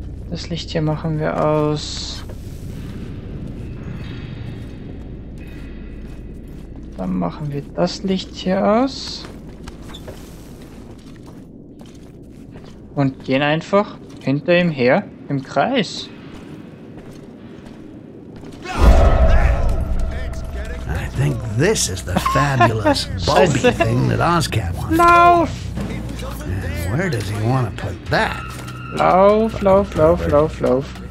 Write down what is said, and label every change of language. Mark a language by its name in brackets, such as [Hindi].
[German] Das Licht hier machen wir aus. Dann machen wir das Licht hier aus. Und gehen einfach hinter ihm her im Kreis. [English] I think this is the fabulous bulby thing that Ozcan wants. [German] Lauf! [English] Where does he want to put that? [German] Lauf, lauf, lauf, lauf, lauf.